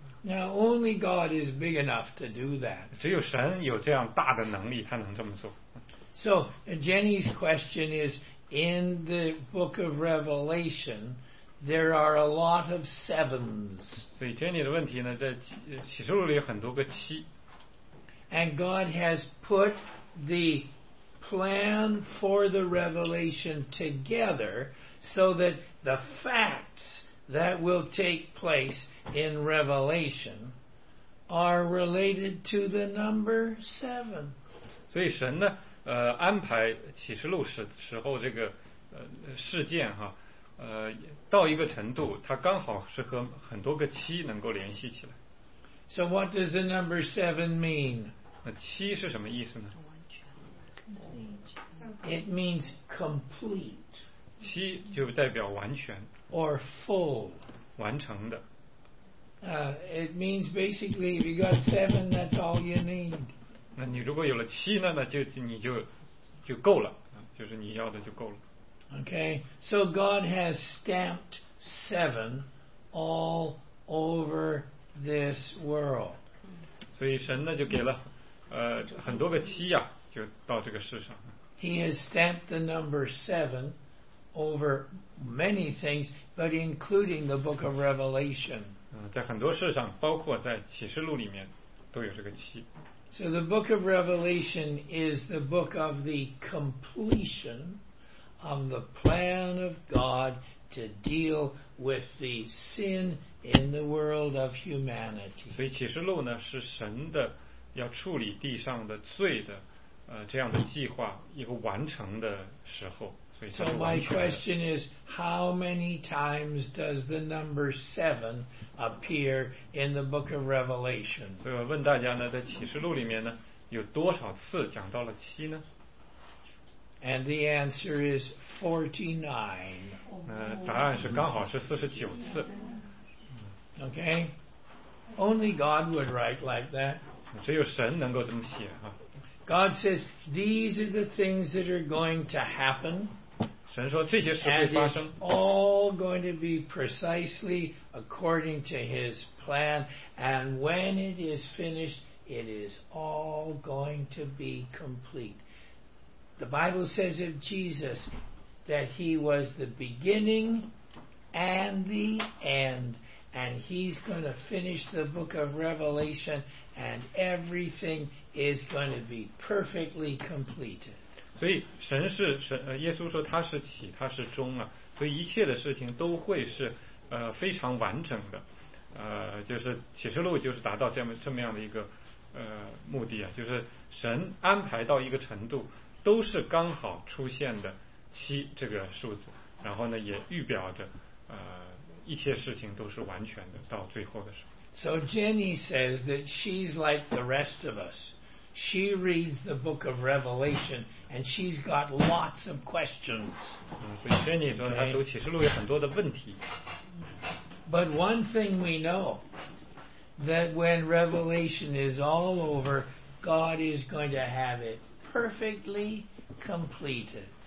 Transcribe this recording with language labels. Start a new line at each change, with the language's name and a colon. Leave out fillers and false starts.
English: Now only God is big enough to do that.
Chinese: 只有神有这样大的能力，他能这么做。
English: So Jenny's question is, in the book of Revelation, there are a lot of sevens.
Chinese: 所以 Jenny 的问题呢，在启示录里有很多个七。
English: And God has put the plan for the revelation together so that the facts that will take place in Revelation are related to the number seven.
Chinese: 所以神呢，安排启示录时候这个事件哈，到一个程度，它刚好是和很多个七能够联系起来。
English: So what does the number seven mean?
Chinese: 那七是什么意思呢？
English: It means complete.
Chinese: 七就代表完全。
English: Or full.
Chinese: 完成的。
English: It means basically if you got seven, that's all you need.
Chinese: 那你如果有了七呢，那就够了，就是你要的就够了。
English: Okay, so God has stamped seven all over this world.
Chinese: 所以神呢就给了很多个七呀，就到这个世上。
English: He has stamped the number seven over many things, but including the book of Revelation.
Chinese: 在很多事上，包括在启示录里面，都有这个七。
English: So the book of Revelation is the book of the completion of the plan of God to deal with the sin in the world of humanity.
Chinese: 所以启示录呢，是神的要处理地上的罪的这样的计划一个完成的时候，所以
English: So my question is, how many times does the number seven appear in the book of Revelation?
Chinese: 所以我问大家呢，在启示录里面呢，有多少次讲到了七呢？
English: And the answer is 49.
Chinese: 答案是刚好是49次。
English: Okay, only God would write like that.
Chinese: 只有神能够这么写啊。
English: God says, these are the things that are going to happen.
Chinese: 神说这些事会发生。
English: It's all going to be precisely according to his plan. And when it is finished, it is all going to be complete. The Bible says of Jesus that he was the beginning and the end. And he's going to finish the book of Revelation and everything is going to be perfectly completed.
Chinese: 所以神是神，耶稣说他是起，他是终啊，所以一切的事情都会是非常完整的，就是启示录就是达到这么样的一个目的啊，就是神安排到一个程度，都是刚好出现的七这个数字，然后呢也预表着一切事情都是完全的到最后的时候。
English: So Jenny says that she's like the rest of us. She reads the book of Revelation and she's got lots of questions.
Chinese: 所以 Jenny 说她读启示录有很多的问题。
English: But one thing we know, that when Revelation is all over, God is going to have it perfectly completed.